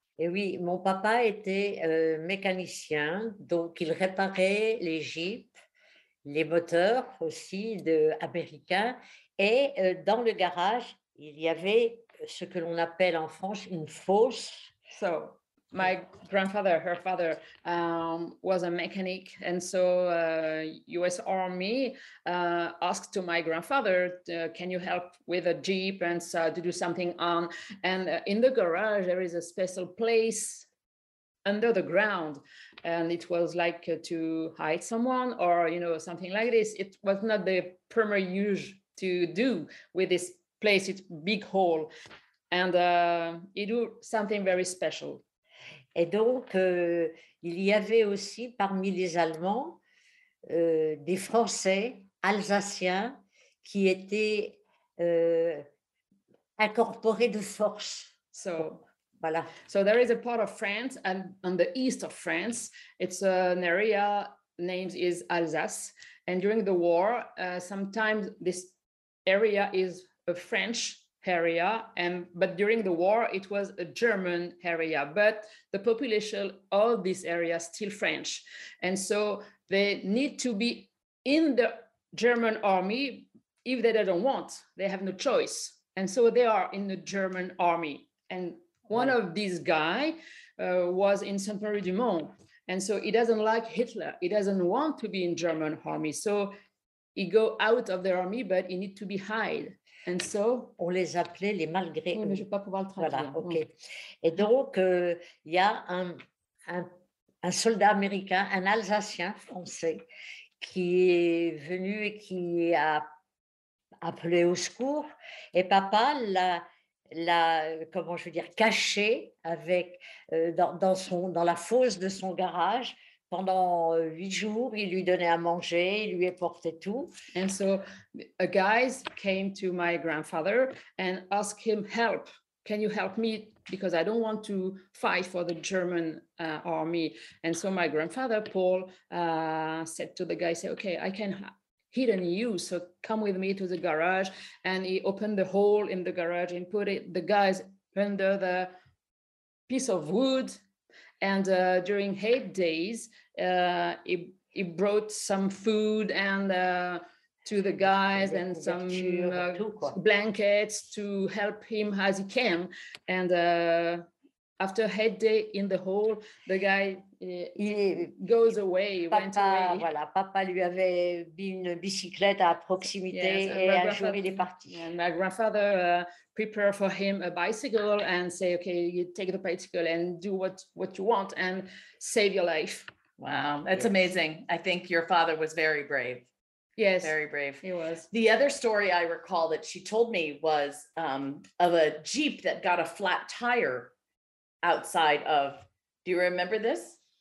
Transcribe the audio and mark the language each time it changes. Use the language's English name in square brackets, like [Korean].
[French] Et oui, mon papa était mécanicien, donc il réparait les Jeeps, les moteurs aussi d'Américains. Et dans le garage, il y avait ce que l'on appelle en France une fosse. [English] So. My grandfather, her father, was a mechanic. And so US Army asked to my grandfather, can you help with a Jeep and to do something on? And in the garage, there is a special place under the ground. And it was like to hide someone or, you know, something like this. It was not the primary use to do with this place, it's big hole. And he do something very special. [French] Et donc, il y avait aussi parmi les Allemands des Français, Alsaciens, qui étaient incorporés de force. [English] So, [French] voilà. [English] So there is a part of France, and on the east of France, it's an area named is Alsace. And during the war, sometimes this area is a French area, and but during the war it was a German area, but the population of this area is still French, and so they need to be in the German army if they don't want, they have no choice, and so they are in the German army, and one of these guy was in Saint-Marie-du-Mont, and so he doesn't like Hitler, he doesn't want to be in German army, so he go out of the army, but he need to be hide. And so, [French] on les appelait les malgré. Oui, mais je vais pas pouvoir le traduire. Voilà, ok. Et donc, il y a un soldat américain, un Alsacien français, qui est venu et qui a appelé au secours et papa l'a comment je veux dire, caché avec, dans la fosse de son garage. Pendant 8 jours, il lui donnait à manger, il lui apportait tout. [English] And so a guy came to my grandfather and asked him help. Can you help me? Because I don't want to fight for the German army. And so my grandfather, Paul, said to the guy, say, okay, I can hidden you, so come with me to the garage. And he opened the hole in the garage and put the guys under the piece of wood. And during 8 days, he brought some food and to the guys and some blankets to help him as he can. And after 8 day in the hole, the guy goes away, went away. Voilà, papa lui avait mis une bicyclette à proximité et un jour il est parti. And my grandfather prepared for him a bicycle and say, okay, you take the bicycle and do what you want and save your life. Wow, that's amazing. I think your father was very brave. Yes, very brave. He was. The other story I recall that she told me was of a Jeep that got a flat tire outside of, do you remember this?